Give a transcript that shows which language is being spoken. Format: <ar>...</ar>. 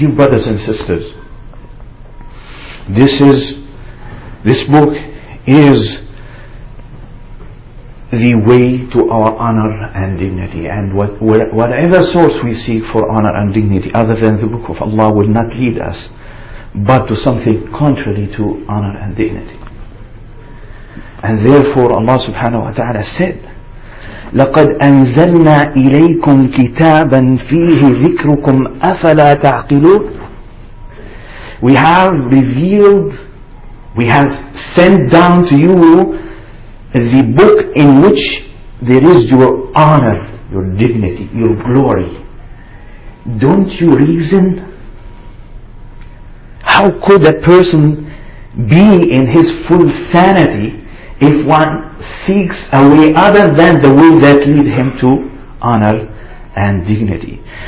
<en>Dear brothers and sisters, this book is the way to our honor and dignity. And whatever source we seek for honor and dignity other than the Book of Allah will not lead us but to something contrary to honor and dignity. And therefore Allah subhanahu wa ta'ala said,</en> <ar>لَقَدْ أَنزَلْنَا إِلَيْكُمْ كِتَابًا فِيهِ ذِكْرُكُمْ أَفَلَا تَعْقِلُونَ.</ar> <en>We have revealed, we have sent down to you the book in which there is your honor, your dignity, your glory. Don't you reason? How could a person be in his full sanity if one seeks a way other than the way that leads him to honor and dignity?</en>